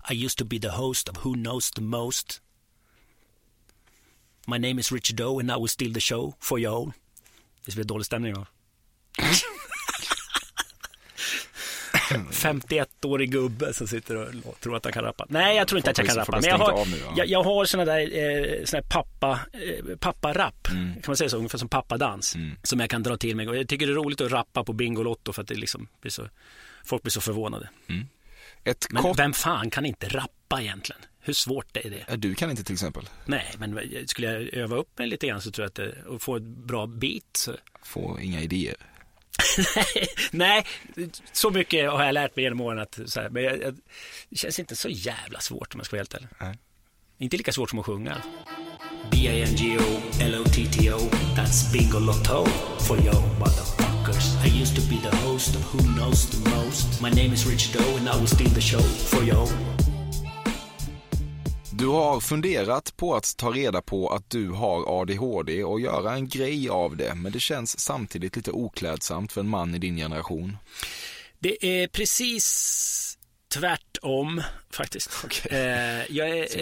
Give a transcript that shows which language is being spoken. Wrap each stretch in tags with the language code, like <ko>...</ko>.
<en>I used to be the host of Who Knows the Most. My name is Richard Doe and I will steal the show for you all.</en> <sv>Det blir dålig stämning då. 51-årig gubbe som sitter och tror att han kan rappa. Nej, jag tror inte att jag kan rappa. Men jag har såna där papparapp. Kan man säga så, ungefär som pappadans som jag kan dra till mig. Jag tycker det är roligt att rappa på Bingolotto för att det liksom blir så, folk blir så förvånade. Vem fan kan inte rappa egentligen? Hur svårt är det? Du kan inte till exempel. Nej, men skulle jag öva upp mig lite grann så tror jag att det, och få ett bra beat. Så... Få inga idéer. Nej, så mycket har jag lärt mig genom åren. Att, så här, men det känns inte så jävla svårt om man ska vara helt ärlig. Nej. Inte lika svårt som att sjunga.</sv> <en>Bingolotto, that's Bingolotto for your motherfuckers. I used to be the host of Who Knows the Most. My name is Richard Doe and I will steal the show for you.</en> <sv>Du har funderat på att ta reda på att du har ADHD och göra en grej av det, men det känns samtidigt lite oklädsamt för en man i din generation. Det är precis tvärtom faktiskt.</sv> <en>Okay.</en>